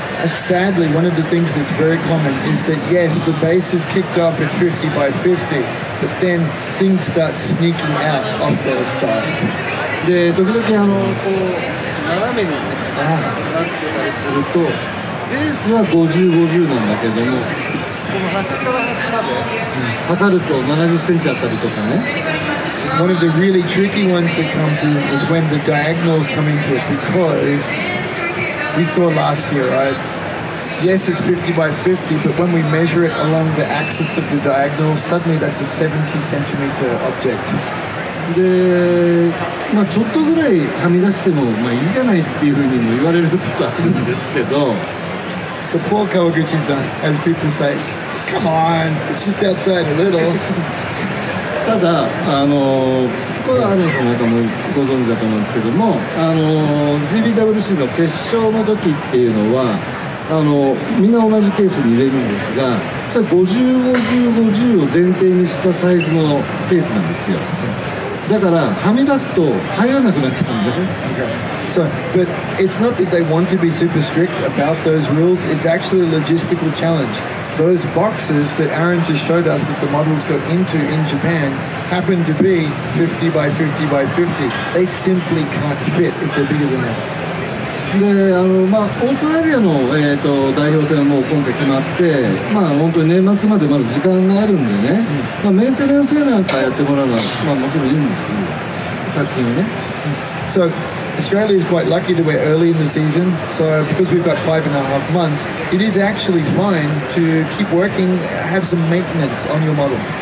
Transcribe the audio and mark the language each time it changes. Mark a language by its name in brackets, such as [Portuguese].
[English] Sadly, one of the things that's very common is that yes, the base is kicked off at 50 by 50, but then things start sneaking out off the side. [Japanese] で、時々斜めに、すると、ベースは50、50なんだけども、この端から端まで、測ると70センチあったりとかね。 [English] One of the really tricky ones that comes in is when the diagonals come into it, because we saw last year, right? Yes, it's 50 by 50, but when we measure it along the axis of the diagonal, suddenly that's a 70 centimeter object. [Japanese] で、まあちょっとぐらいはみ出してもまあいいじゃないっていうふうにも言われることあるんですけど。 [English] So poor Kawaguchi-san, as people say, come on, it's just outside a little. [Japanese] ただ、これはアレンさんの方もご存知だと思うんですけども、GBWC の決勝の時っていうのは、みんな同じケースに入れるんですが、それ50、50、50を前提にしたサイズのケースなんですよ。だから、はみ出すと入らなくなっちゃうんだね。 [English] Okay. So, but it's not that they want to be super strict about those rules, it's actually a logistical challenge. Those boxes that Aaron just showed us that the models got into in Japan happen to be 50 by 50 by 50. They simply can't fit if they're bigger than that. [Japanese] で、まあ、オーストラリアの、代表戦はもう今回決まって、まあ、本当に年末までまだ時間があるんでね、うん、まあ、メンテナンスやなんかやってもらうのは、まあ、もちろんいいんですよ、作品をね。 [English] So, Australia is quite lucky that we're early in the season, so because we've got 5.5 months, it is actually fine to keep working, have some maintenance on your model.